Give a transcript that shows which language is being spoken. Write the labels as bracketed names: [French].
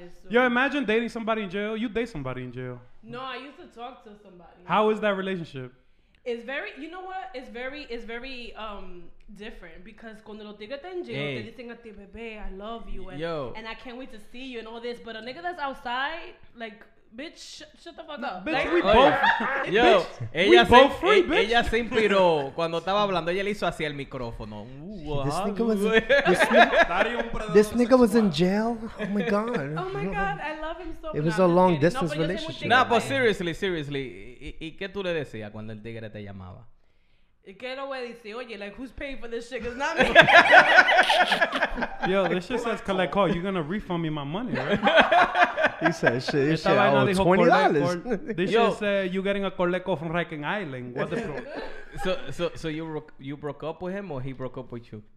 [English] Yo, imagine dating somebody in jail. You date somebody in jail. No, I used to talk to somebody. How is that relationship? It's very, you know what? It's very different because [Spanish] cuando los tigres están en jail, [English] hey. They [Spanish] dicen a ti, bebé, [English] I love you. And, yo. And I can't wait to see you and all this. But a nigga that's outside, like, bitch, shut the fuck up. No, bitch, like, we both. Yo, bitch, [Spanish] ella [English] we both free, bitch. [Spanish] Ella se inspiró cuando estaba hablando. Ella le hizo así el micrófono. [English] This nigga was, this nigga was in jail? Oh, my God. Oh, my God. I love him so much. It was a long distance relationship. Nah, but seriously. [Spanish] ¿Y qué tú le decías cuando el tigre te llamaba? Que lo voy a decir, oye, [English] like, who's paying for this shit? It's not me. Yo, this shit says collect call. You're going to refund me my money, right? He said shit. This shit, I owe $20. This shit said you're getting a collect call from Riken Island. What the fuck? So you broke up with him or he broke up with you?